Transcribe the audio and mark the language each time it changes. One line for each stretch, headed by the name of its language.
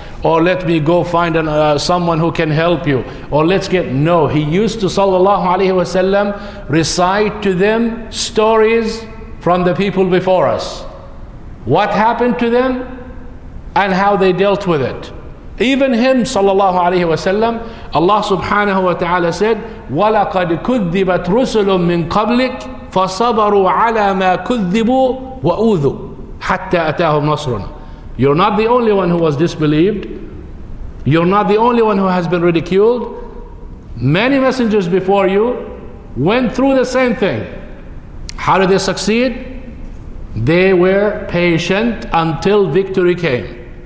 English: Or let me go find someone who can help you. Or let's get... No, he used to, sallallahu alayhi wa sallam, recite to them stories from the people before us. What happened to them and how they dealt with it. Even him, sallallahu alayhi wa sallam, Allah subhanahu wa ta'ala said,
Arabic: وَلَقَدْ كُذِّبَتْ رُسُلٌ مِّن قَبْلِكَ فَصَبَرُوا عَلَى مَا كُذِّبُوا وَأُوذُوا حَتَّى أَتَاهُمْ نَصْرُنَا.
English: You're not the only one who was disbelieved. You're not the only one who has been ridiculed. Many messengers before you went through the same thing. How did they succeed? They were patient until victory came.